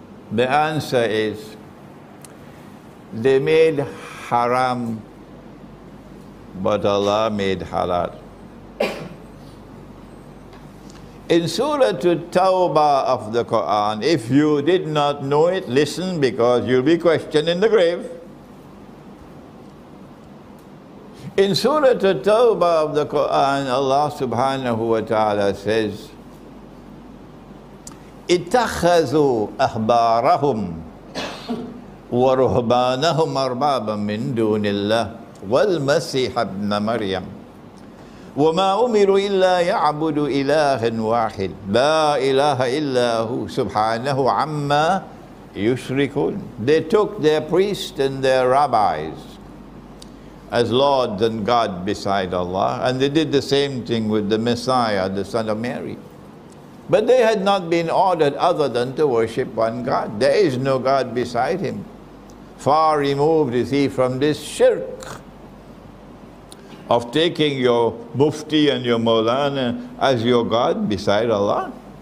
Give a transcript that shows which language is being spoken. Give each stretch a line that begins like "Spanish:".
English: The answer is, they made haram, but Allah made halal. In Surah At-Tawbah of the Quran, if you did not know it, listen, because you'll be questioned in the grave. In Surah At-Tawbah of the Quran, Allah subhanahu wa ta'ala says,
Arabic: اتخذوا أحبارهم ورهبانهم أربابا من دون الله والمسيح ابن مريم وما أمروا إلا يعبدوا إله واحد لا إله إلا هو سبحانه عما يشركون.
English: They took their priests and their rabbis as lords and God beside Allah. And they did the same thing with the Messiah, the son of Mary. But they had not been ordered other than to worship one God. There is no God beside him. Far removed is he from this shirk of taking your mufti and your maulana as your God beside Allah.